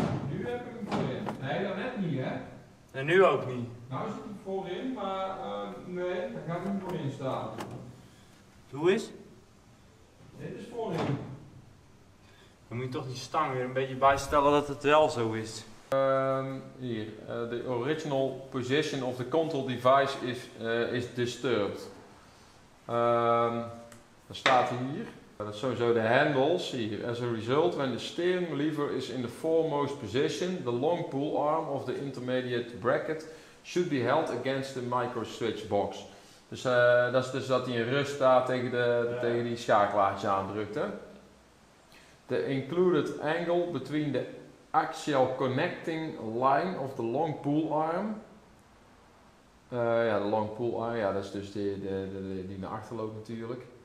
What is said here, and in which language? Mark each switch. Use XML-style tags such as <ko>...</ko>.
<nl>Nu heb ik hem voorin. Nee, dat net niet, hè? En nu ook niet. Nou zit hij voorin, maar nee, daar gaat niet voorin staan. Hoe is? Dit is voorin. Dan moet je toch die stang weer een beetje bijstellen dat het wel zo is.</nl> <en>Hier, the original position of the control device is disturbed.</en> <nl>Dat staat hier. Dat is sowieso de handles hier.</nl> <en>As a result, when the steering lever is in the foremost position, the long pull arm of the intermediate bracket should be held against the micro switch box.</en> <nl>Dus dat is dus dat hij in rust staat tegen, tegen die schakelaartje aandrukt. Hè?</nl> <en>The included angle between the axial connecting line of the long pull arm.</en> <nl>Ja, de long pull arm, ja, dat is dus die naar achter loopt natuurlijk.</nl>